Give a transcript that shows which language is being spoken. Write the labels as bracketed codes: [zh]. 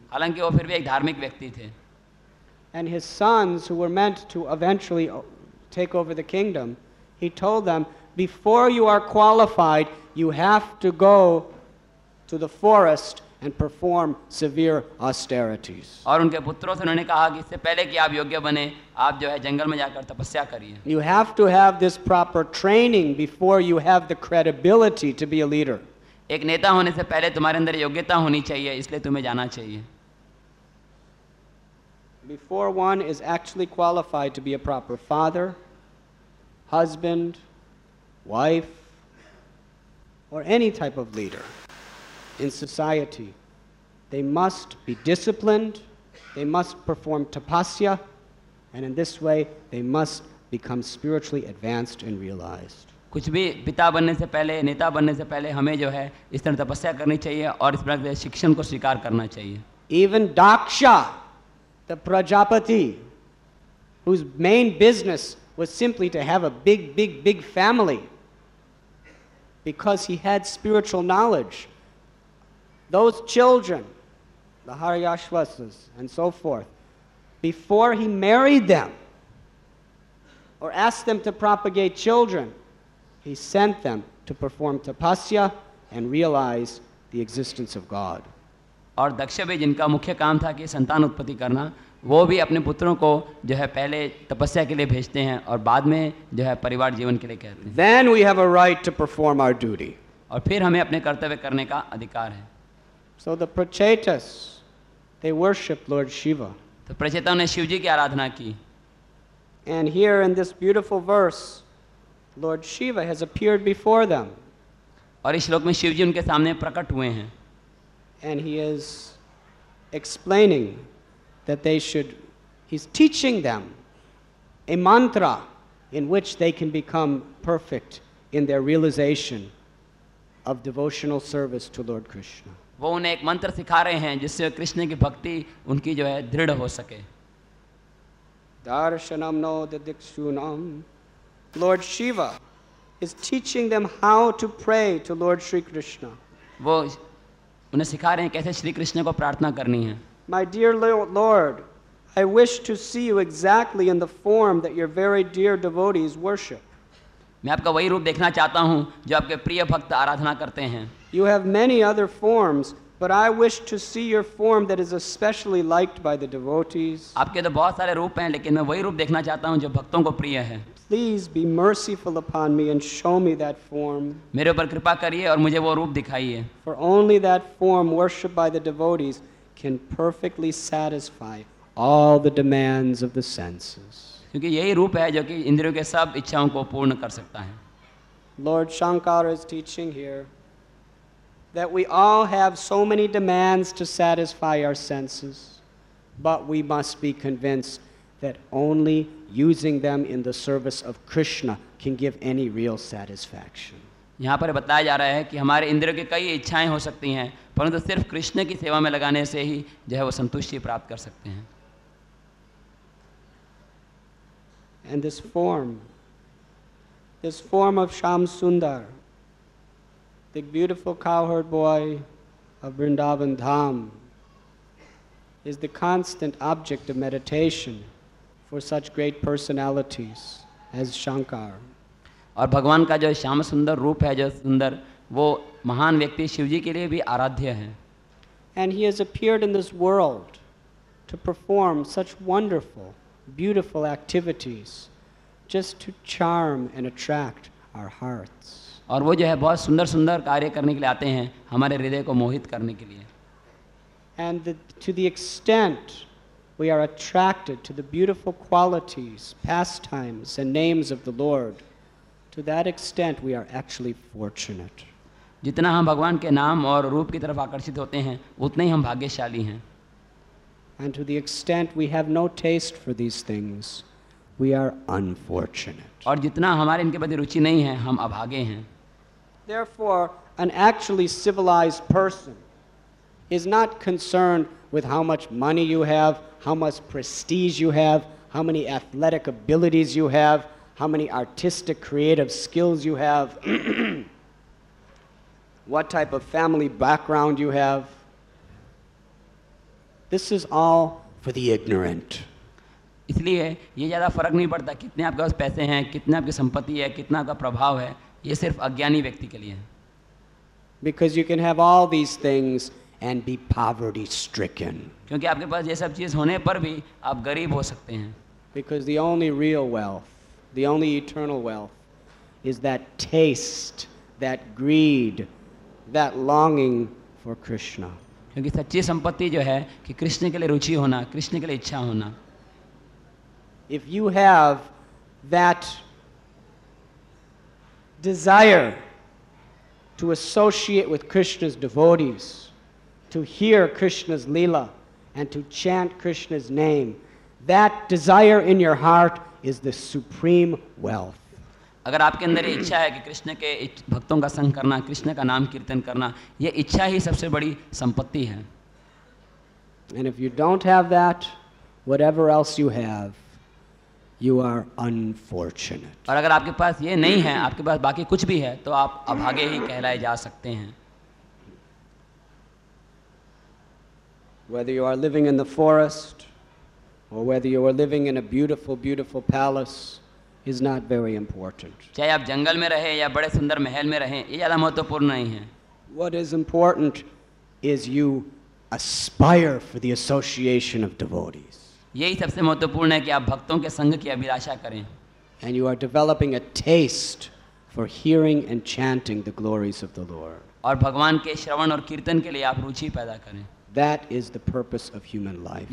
[hi] Halanki wo phir bhi ek dharmik vyakti the. [en] And his sons, who were meant to eventually take over the kingdom, he told them, before you are qualified, you have to go to the forest and perform severe austerities. [hi] और उनके पुत्रों से उन्होंने कहा कि इससे पहले कि आप योग्य बने, आप जो है जंगल में जाकर तपस्या करिए. [en] You have to have this proper training before you have the credibility to be a leader. [hi] एक नेता होने से पहले तुम्हारे अंदर योग्यता होनी चाहिए, इसलिए तुम्हें जाना चाहिए. [en] Before one is actually qualified to be a proper father, husband, wife, or any type of leader in society, they must be disciplined, they must perform tapasya, and in this way, they must become spiritually advanced and realized. [hi] कुछ भी पिता बनने से पहले नेता बनने से पहले हमें जो है इस तरह तपस्या करनी चाहिए और इस प्रकार शिक्षण को स्वीकार करना चाहिए. [en] Even daksha. The Prajapati, whose main business was simply to have a big, big, big family, because he had spiritual knowledge. Those children, the Haryashvasas and so forth, before he married them or asked them to propagate children, he sent them to perform tapasya and realize the existence of God. [hi] और दक्ष भी जिनका मुख्य काम था कि संतान उत्पत्ति करना, वो भी अपने पुत्रों को जो है पहले तपस्या के लिए भेजते हैं और बाद में जो है परिवार जीवन के लिए कहते हैं. [en] Then we have a right to perform our duty. [hi] और फिर हमें अपने कर्तव्य करने का अधिकार है. [en] So the Prachetas, they worship Lord Shiva. [hi] तो प्रचेताओं ने शिव जी की आराधना की. [en] And here in this beautiful verse, Lord Shiva has appeared before them. [hi] और इस श्लोक में शिव जी उनके सामने प्रकट हुए हैं. [en] And he is explaining that they should, he's teaching them a mantra in which they can become perfect in their realization of devotional service to Lord Krishna. [hi] वो उन्हें एक मंत्र सिखा रहे हैं जिससे कृष्ण की भक्ति उनकी जो है दृढ़ हो सके. [sa] Darshanam no didikshunam. [en] Lord Shiva is teaching them how to pray to Lord Shri Krishna. [hi] वो उन्हें सिखा रहे हैं कैसे श्री कृष्ण को प्रार्थना करनी है. [en] My dear Lord, I wish to see you exactly in the form that your very dear devotees worship. [hi] मैं आपका वही रूप देखना चाहता हूं जो आपके प्रिय भक्त आराधना करते हैं. [en] You have many other forms, but I wish to see your form that is especially liked by the devotees. [hi] आपके तो बहुत सारे रूप हैं लेकिन मैं वही रूप देखना चाहता हूं जो भक्तों को प्रिय है. [en] Please be merciful upon me and show me that form. [hi] मेरे ऊपर कृपा करिए और मुझे वो रूप दिखाइए. [en] For only that form worshiped by the devotees can perfectly satisfy all the demands of the senses. [hi] क्योंकि यही रूप है जो कि इंद्रियों के सब इच्छाओं को पूर्ण कर सकता है. [en] Lord Shankara is teaching here that we all have so many demands to satisfy our senses, but we must be convinced that only using them in the service of Krishna can give any real satisfaction. [hi] यहाँ पर बताया जा रहा है कि हमारे इंद्रियों की कई इच्छाएं हो सकती हैं परंतु सिर्फ कृष्ण की सेवा में लगाने से ही जो है वो संतुष्टि प्राप्त कर सकते हैं. [en] And this form of Shyam Sundar, the beautiful cowherd boy of Vrindavan Dham, is the constant object of meditation for such great personalities as Shankar. [hi] और भगवान का जो श्याम सुंदर रूप है जो सुंदर वो महान व्यक्ति शिव जी के लिए भी आराध्य है. [en] And he has appeared in this world to perform such wonderful beautiful activities just to charm and attract our hearts. [hi] और वो जो है बहुत सुंदर सुंदर कार्य करने के लिए आते हैं हमारे हृदय को मोहित करने के लिए. [en] And to the extent we are attracted to the beautiful qualities, pastimes, and names of the Lord, to that extent we are actually fortunate. [hi] जितना हम भगवान के नाम और रूप की तरफ आकर्षित होते हैं उतने ही हम भाग्यशाली हैं. [en] And to the extent we have no taste for these things, we are unfortunate. [hi] और जितना हमारे इनके प्रति रुचि नहीं है हम अभागे हैं. [en] Therefore, an actually civilized person is not concerned with how much money you have, how much prestige you have, how many athletic abilities you have, how many artistic creative skills you have, what type of family background you have. This is all for the ignorant. [hi] इसलिए ये ज़्यादा फर्क नहीं पड़ता कितने आपके पास पैसे हैं, कितना आपकी संपत्ति है, कितना आपका प्रभाव है, ये सिर्फ अज्ञानी व्यक्ति के लिए है. [en] Because you can have all these things and be poverty stricken. [hi] क्योंकि आपके पास ये सब चीज होने पर भी आप गरीब हो सकते हैं. [en] Because the only real wealth, the only eternal wealth, is that taste, that greed, that longing for Krishna. [hi] क्योंकि सच्ची संपत्ति जो है कि कृष्ण के लिए रुचि होना, कृष्ण के लिए इच्छा होना. [en] If you have that desire to associate with Krishna's devotees, to hear Krishna's leela and to chant Krishna's name, that desire in your heart is the supreme wealth. [hi] अगर आपके अंदर ये इच्छा है कि कृष्ण के भक्तों का संग करना, कृष्ण का नाम कीर्तन करना, ये इच्छा ही सबसे बड़ी संपत्ति है. [en] And if you don't have that, whatever else you have, you are unfortunate. [hi] और अगर आपके पास ये नहीं है, आपके पास बाकी कुछ भी है, तो आप अभागे ही कहलाए जा सकते हैं. [en] Whether you are living in the forest or whether you are living in a beautiful, beautiful palace is not very important. [hi] चाहे आप जंगल में रहें या बड़े सुंदर महल में रहें, ये ज़्यादा महत्वपूर्ण नहीं है. [en] What is important is you aspire for the association of devotees. [hi] यही सबसे महत्वपूर्ण है कि आप भक्तों के संग की अभिलाषा करें. [en] And you are developing a taste for hearing and chanting the glories of the Lord. [hi] और भगवान के श्रवण और कीर्तन के लिए आप रुचि पैदा करें. [en] That is the purpose of human life.